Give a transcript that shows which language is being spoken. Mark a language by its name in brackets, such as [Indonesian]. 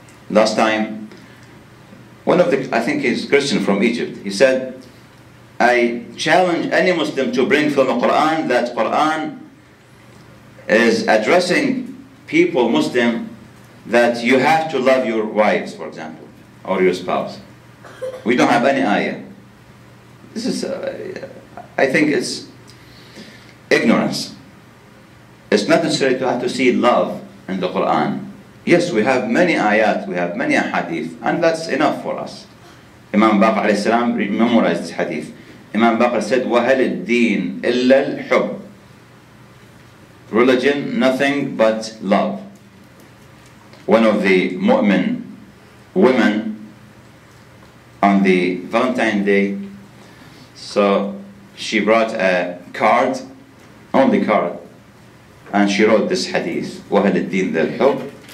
[English] Last time, one of the, I think he's Christian from Egypt, he said, I challenge any Muslim to bring from the Quran that Quran is addressing people, Muslim, that you have to love your wives, for example, or your spouse. We don't have any ayah. This is, I think it's ignorance. It's not necessary to have to see love in the Quran. Yes, we have many ayat, we have many hadith, and that's enough for us. Imam Baqir alayhi salam memorized this hadith. Imam Baqir said, [Arabic] وَهَلِ الدِّينِ إِلَّا الْحُبِّ. [English] Religion, nothing but love. One of the mu'min women on the Valentine's Day, so she brought a card, only card, and she wrote this hadith, [Arabic] وَهَلِ الدِّينِ إِلَّا الْحُبِّ.